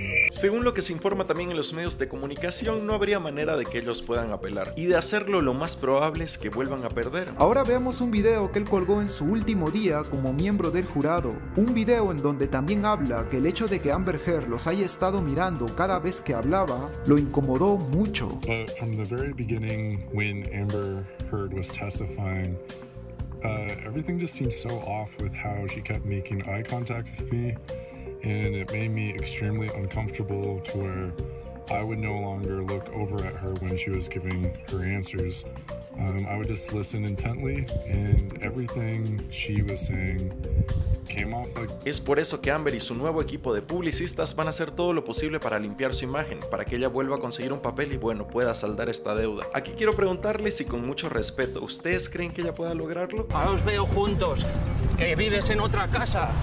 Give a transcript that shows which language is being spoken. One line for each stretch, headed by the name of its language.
Spanish: Según lo que se informa también en los medios de comunicación, no habría manera de que ellos puedan apelar. Y de hacerlo, lo más probable es que vuelvan a perder. Ahora veamos un video que él colgó en su último día como miembro del jurado. Un video en donde también habla que el hecho de que Amber Heard los haya estado mirando cada vez que hablaba, lo incomodó mucho.
English: From the very beginning, when Amber Heard was testifying, everything just seemed so off with how she kept making eye contact with me. And it made me extremely uncomfortable to where I would no longer look over at her when she was giving her answers. I would just listen intently and everything she was saying.
Spanish: Es por eso que Amber y su nuevo equipo de publicistas van a hacer todo lo posible para limpiar su imagen, para que ella vuelva a conseguir un papel y bueno, pueda saldar esta deuda. Aquí quiero preguntarle si con mucho respeto, ¿ustedes creen que ella pueda lograrlo? Ahora os veo juntos, que vives en otra casa.